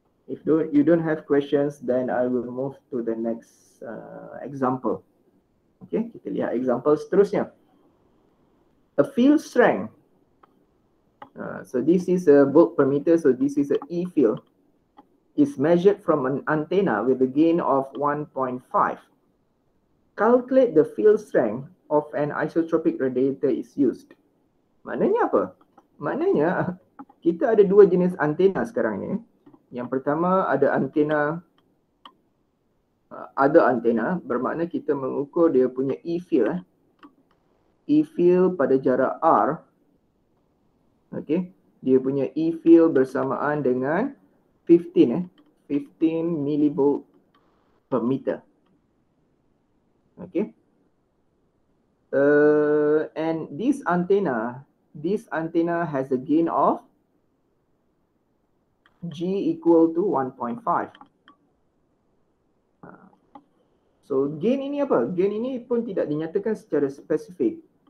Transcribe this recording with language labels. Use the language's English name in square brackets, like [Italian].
[English] If you don't have questions, then I will move to the next example. Okay, [Malay] kita lihat example seterusnya. [English] a field strength. So this is a voltmeter meter, so this is a E field. It's measured from an antenna with a gain of 1.5. Calculate the field strength of an isotropic radiator is used. [Malay] Maknanya apa? Maknanya kita ada dua jenis antena sekarang ni. Yang pertama ada antena, ada antena bermakna kita mengukur dia punya E field. E field pada jarak R. Okay. Dia punya E field bersamaan dengan 15 millivolt per meter. Okay. [English] And this antenna has a gain of G equal to 1.5. [Malay] So gain ini apa? Gain ini pun tidak dinyatakan secara spesifik.